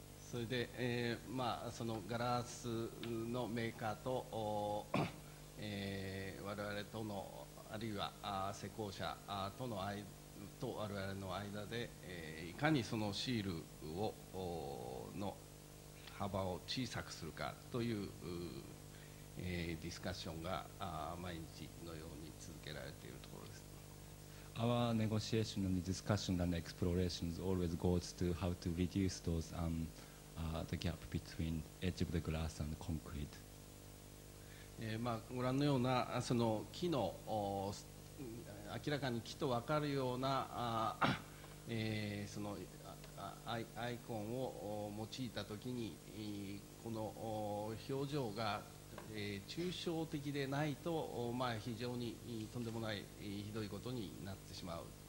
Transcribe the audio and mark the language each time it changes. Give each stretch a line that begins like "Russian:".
Japanese: それで、そのガラスのメーカーと、我々とのあるいは施工者との間と我々の間で、いかにそのシールをの幅を小さくするかという、ディスカッションが毎日のように続けられているところです。
English: Our negotiation and discussion and explorations always goes to how to reduce those the gap between edge of the glass and concrete.
Japanese: ご覧のようなその木の明らかに木と分かるようなそのアイコンを用いたときにこの表情が抽象的でないと非常にとんでもないひどいことになってしまう。